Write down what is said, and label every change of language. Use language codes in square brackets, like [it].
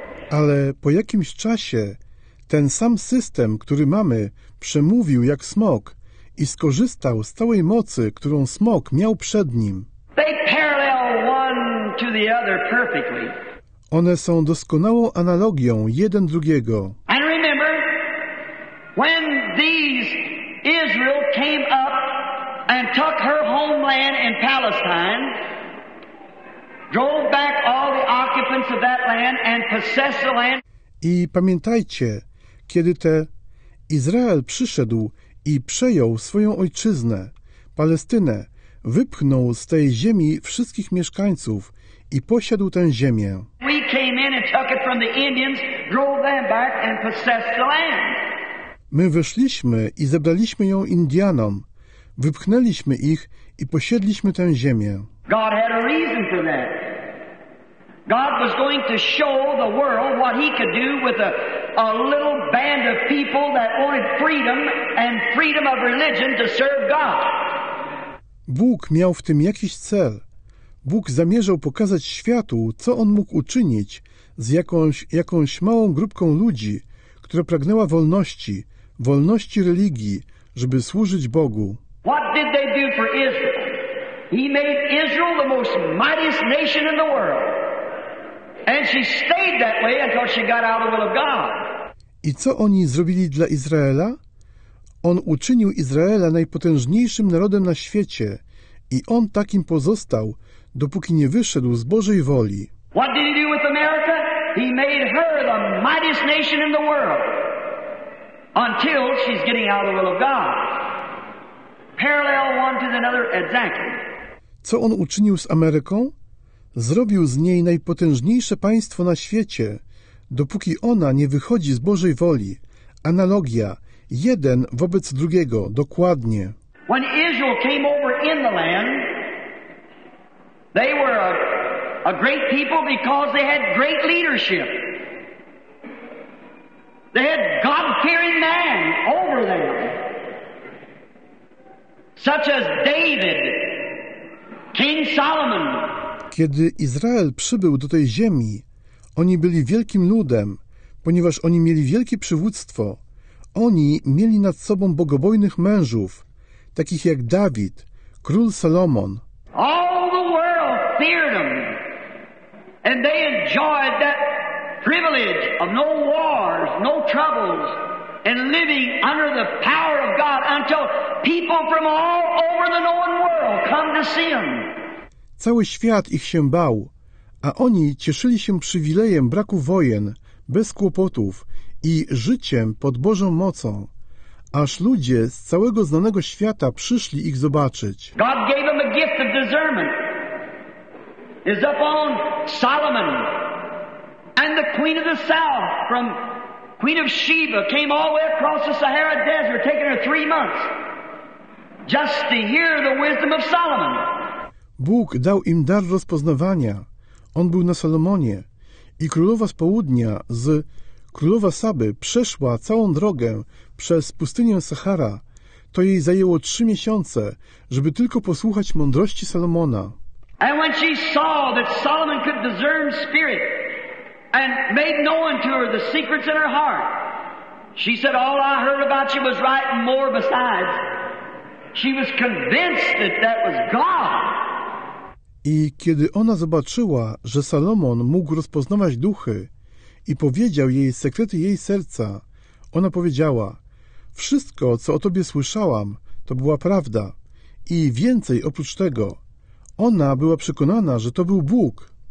[pl] Ale po jakimś czasie ten sam system, który mamy, przemówił jak smok i skorzystał z całej mocy, którą smok miał przed nim. [en] They parallel one to the other perfectly. [pl] One są doskonałą analogią jeden drugiego. [en] And remember, when these Israel came up and took her homeland in Palestine, drove back all the occupants of that land and possessed the land. [pl] I pamiętajcie, kiedy te Izrael przyszedł i przejął swoją ojczyznę, Palestynę, wypchnął z tej ziemi wszystkich mieszkańców i posiadł tę ziemię. [en] We came in and took it from the Indians, drove them back and possessed the land. [pl] My weszliśmy i zabraliśmy ją Indianom. Wypchnęliśmy ich i posiedliśmy tę ziemię. [en] God had a reason for that. God was going to show the world what he could do with a little band of people that wanted freedom and freedom of religion to serve God. [pl] Bóg miał w tym jakiś cel. Bóg zamierzał pokazać światu, co on mógł uczynić z jakąś małą grupką ludzi, która pragnęła wolności, wolności religii, żeby służyć Bogu. [en] What did they do for Israel? He made Israel the most mightiest nation in the world. And she stayed that way until she got out of the will of God. [pl] I co oni zrobili dla Izraela? On uczynił Izraela najpotężniejszym narodem na świecie i on takim pozostał, dopóki nie wyszedł z Bożej woli. [en] What did he do with America? He made her the mightiest nation in the world. Until she's getting out of the will of God. Parallel one to another, exactly. [pl] Co on uczynił z Ameryką? Zrobił z niej najpotężniejsze państwo na świecie, dopóki ona nie wychodzi z Bożej woli. Analogia, jeden wobec drugiego, dokładnie. [en] When Israel came over in the land, they were a great people because they had great leadership. They had God-fearing men over them, such as David, King Solomon. [pl] Kiedy Izrael przybył do tej ziemi, oni byli wielkim ludem, ponieważ oni mieli wielkie przywództwo. Oni mieli nad sobą bogobojnych mężów, takich jak Dawid, król Salomon. [en] All the world feared them, and they enjoyed that privilege of no wars, no troubles, and living under the power of God until people from all over the known world come to see them. [pl] Cały świat ich się bał, a oni cieszyli się przywilejem braku wojen, bez kłopotów i życiem pod Bożą mocą, aż ludzie z całego znanego świata przyszli ich zobaczyć. [en] God gave them a gift of discernment. It's upon Solomon. And the Queen of the South, from Queen of Sheba, came all the way across the Sahara Desert, taking her 3 months, just to hear the wisdom of Solomon. [pl] Bóg dał im dar rozpoznawania. On był na Salomonie. I królowa z południa, z królowa Saby, przeszła całą drogę przez pustynię Sahara. To jej zajęło 3 miesiące, żeby tylko posłuchać mądrości Salomona. [en] And when she saw that Solomon could discern spirit and made known to her the secrets in her heart, she said, all I heard about you was right and more besides. She was convinced that that was God. [pl] I kiedy ona zobaczyła, że Salomon mógł rozpoznawać duchy i powiedział jej sekrety jej serca, ona powiedziała, Wszystko, co o Tobie słyszałam, to była prawda. I więcej oprócz tego. Ona była przekonana, że to był Bóg.